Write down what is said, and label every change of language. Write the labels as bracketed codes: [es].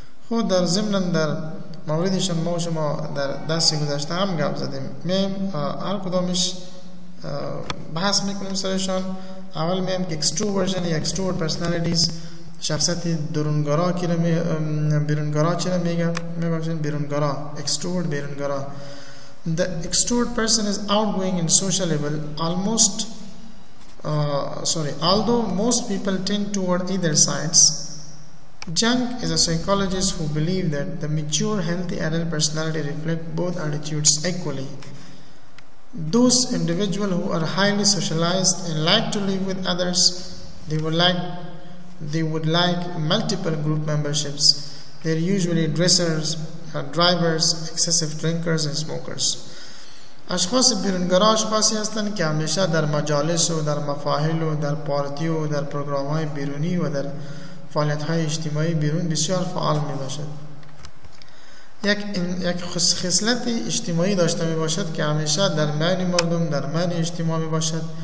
[fa] خب در ضمن در موردشان ما شما در دستی گذاشته هم گفت زدیم میم هر کدامش بحث میکنیم سرشان. اول میم که extroversion یا extrovert personalities شخصیت درونگرا کی را بیرونگرا چی را میگم میبخشن بیرونگرا extrovert بیرونگرا. [en] The extrovert person is outgoing and sociable although most people tend toward either sides. Jung is a psychologist who believe that the mature, healthy adult personality reflect both attitudes equally. Those individuals who are highly socialized and like to live with others, they would like multiple group memberships. They are usually dressers, drivers, excessive drinkers and smokers. [fa] اشخاص بیرونگرا اشخاصی هستند که همیشه در مجالس و در مفاهیل و در پارتی و در پروگرام های بیرونی و در فعالیت های اجتماعی بیرون بسیار فعال می باشد. یک خصلت اجتماعی داشته می باشد که همیشه در میان مردم در میان اجتماع می باشد.